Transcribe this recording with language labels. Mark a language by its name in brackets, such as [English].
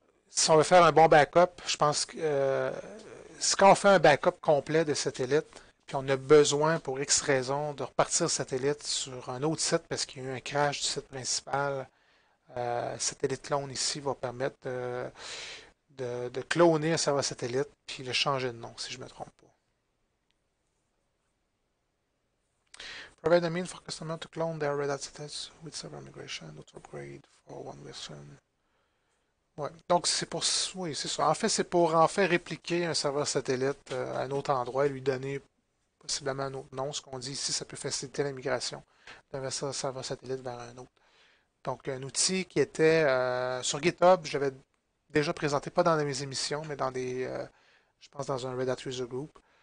[French] Si on veut faire un bon backup, je pense que si on fait un backup complet de Satellite, puis on a besoin, pour X raisons, de repartir Satellite sur un autre site parce qu'il y a eu un crash du site principal. Satellite Clone ici va permettre de cloner un serveur Satellite puis le changer de nom, si je ne me trompe pas. [English] Provide a means for customers to clone their Red Hat Satellites with server migration, auto-upgrade for one version. [French] Ouais. Donc c'est pour oui, c'est ça. En fait, c'est pour en fait répliquer un serveur Satellite à un autre endroit et lui donner possiblement un autre nom. Ce qu'on dit ici, ça peut faciliter la migration d'un serveur satellite vers un autre. Donc, un outil qui était sur GitHub, je l'avais déjà présenté, pas dans mes émissions, mais dans des, je pense, dans un Red Hat User Group.